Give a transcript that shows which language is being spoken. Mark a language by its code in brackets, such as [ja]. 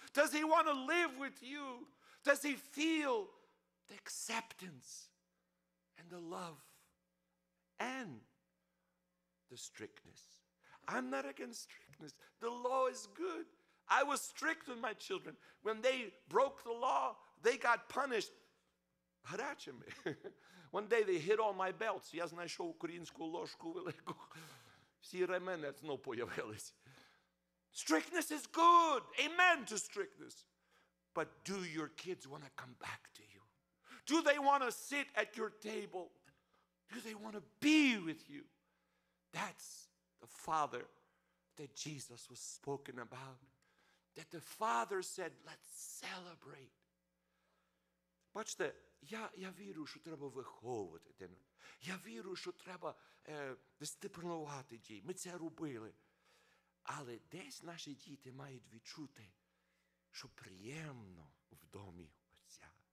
[en] Does he want to live with you? Does he feel the acceptance and the love and the strictness? I'm not against strictness. The law is good. I was strict with my children. When they broke the law, they got punished. [uk] Гарячими. [en] One day they hit all my belts. [uk] Я знайшов українську ложку велику. Всі ремени знову появились. [en] Strictness is good. Amen to strictness. But do your kids want to come back to you? Do they want to sit at your table? Do they want to be with you? That's the Father that Jesus was spoken about. That the Father said, let's celebrate. [uk] Бачите, я вірю, що треба виховувати дитину. Я вірю, що треба дисциплінувати дітей. Ми це робили. Але десь наші діти мають відчути, що приємно в домі Отця.